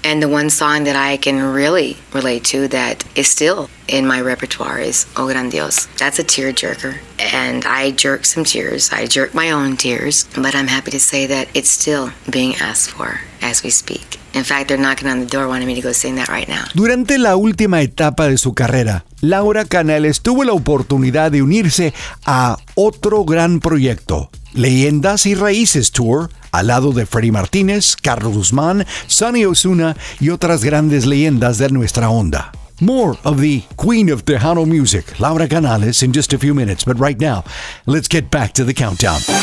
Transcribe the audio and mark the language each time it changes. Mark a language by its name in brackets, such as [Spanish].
[English] And the one song that I can really relate to that is still in my repertoire is Oh Gran Dios. That's a tearjerker. And I jerk some tears. I jerk my own tears. But I'm happy to say that it's still being asked for as we speak. In fact, they're knocking on the door wanting me to go sing that right now. [Spanish] Durante la última etapa de su carrera, Laura Canales tuvo la oportunidad de unirse a otro gran proyecto, Leyendas y Raíces Tour, al lado de Freddy Martínez, Carlos Guzmán, Sonny Ozuna y otras grandes leyendas de nuestra onda. [English] More of the Queen of Tejano Music, Laura Canales, in just a few minutes. But right now, let's get back to the countdown.